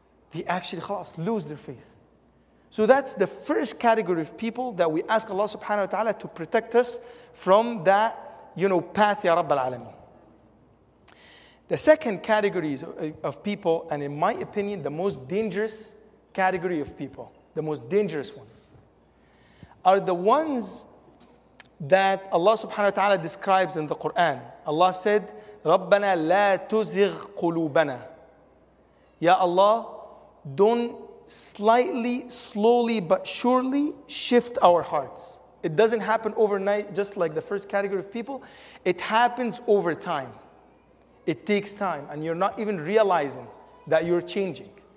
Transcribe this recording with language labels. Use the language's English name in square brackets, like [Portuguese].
[English] They actually lose their faith. So that's the first category of people that we ask Allah subhanahu wa ta'ala to protect us from that, you know, path, ya Rabbil Alameen. The second category of people, and in my opinion, the most dangerous category of people, the most dangerous ones, are the ones that Allah subhanahu wa ta'ala describes in the Quran. Allah said, [Arabic] رَبَّنَا لَا تُزِغْ قُلُوبَنَا. [English] Ya Allah, don't slightly, slowly, but surely shift our hearts. It doesn't happen overnight, just like the first category of people. It happens over time. It takes time, and you're not even realizing that you're changing.